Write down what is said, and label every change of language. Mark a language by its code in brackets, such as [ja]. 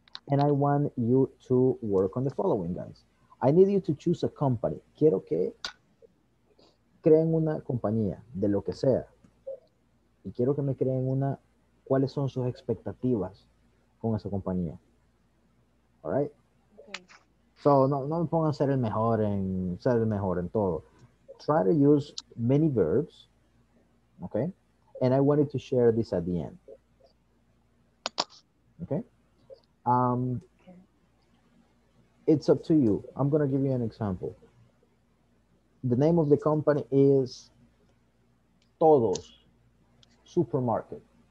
[en] And I want you to work on the following, guys. I need you to choose a company. [es] Quiero que creen una compañía, de lo que sea. Y quiero que me creen una. ¿Cuáles son sus expectativas con esa compañía? [en] All right? Okay. [es] So, no me pongan ser el mejor en todo. [en] Try to use many verbs, okay? And I wanted to share this at the end. Okay? Okay. It's up to you. I'm going to give you an example. The name of the company is Todos Supermarket.